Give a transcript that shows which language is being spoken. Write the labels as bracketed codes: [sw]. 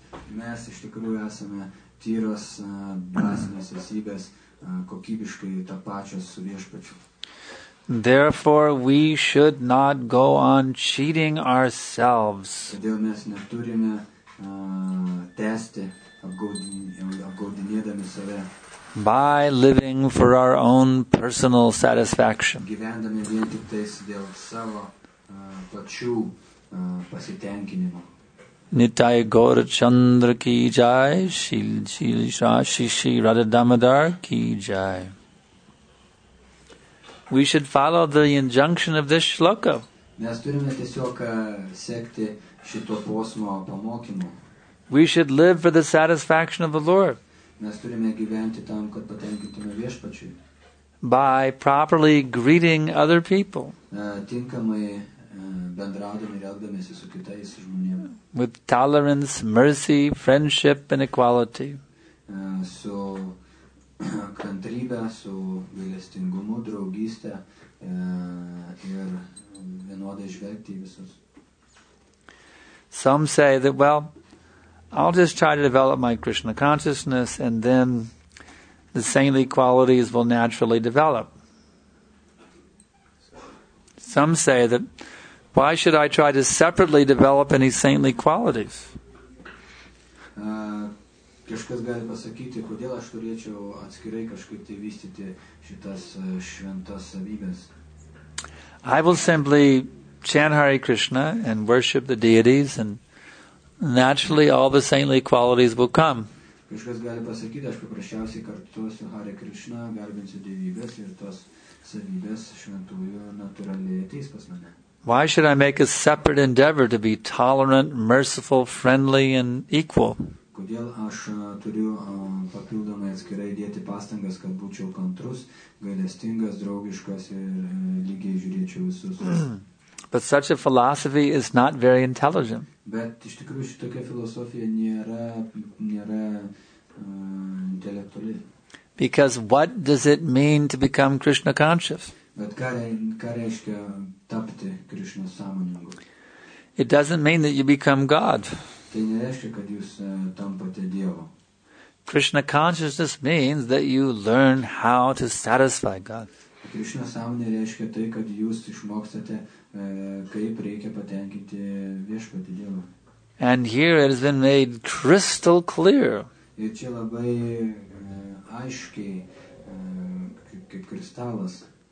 [lt] Mes iš tikrųjų esame tyros dvasinės esybės, kokybiškai tapačios su viešpačiu. [en] Therefore, we should not go on cheating ourselves. [lt] Todėl mes neturime tęsti apgaudinėdami save. [en] By living for our own personal satisfaction. [lt] Gyvendami vien tik tais dėl savo pačių pasitenkinimo. [sa] Nitai Gaura Chandra ki jai, Shil Shashishi Radha Damodar ki jai. [en] We should follow the injunction of this shloka. [lt] Mes turime tiesiog sekti šito posmo pamokymu. [en] We should live for the satisfaction of the Lord. [lt] Mes turime gyventi tam, kad patenkintume viešpačiui. [en] By properly greeting other people. [lt] Tinkamai bendraudami ir elgdamiesi su kitais žmonėmis. [en] With tolerance, mercy, friendship and equality. [lt] Su kantrybe, su gailestingumu, draugyste ir vienodai žvelgti į visus. [en] Some say that, well, I'll just try to develop my Krishna consciousness and then the saintly qualities will naturally develop. Some say that Why should I try to separately develop any saintly qualities? [lt] Kažkas gali pasakyti, kodėl aš turėčiau atskirai kažkaip tai vystyti šitas šventas savybės. [en] I will simply chant Hare Krishna and worship the deities, and naturally all the saintly qualities will come. [lt] Kažkas gali pasakyti, aš paprasčiausiai kartuosiu Hare Krishna, garbinsiu dievybės ir tos savybės šventųjų natūraliai ateis pas mane. [en] Why should I make a separate endeavor to be tolerant, merciful, friendly, and equal? [lt] Kodėl aš turiu papildomai atskirai dėti pastangas, kad būčiau kantrus, gailestingas, draugiškas ir lygiai žiūrėčiau visus? [en] But such a philosophy is not very intelligent. [lt] Bet iš tikrųjų šitokia filosofija nėra intelektuali. [en] Because what does it mean to become Krishna conscious? [lt] Bet ką reiškia tapti Krishna sąmoningu? [en] It doesn't mean that you become God. [lt] Tai nereiškia, kad jūs tampate Dievu. [en] Krishna consciousness means that you learn how to satisfy God. [lt] Krishna sąmonė reiškia tai, kad jūs išmokstate, kaip reikia patenkinti viešpatį Dievą. [en] And here it has been made crystal clear. [lt] Ir čia labai aiškiai, kaip kristalas.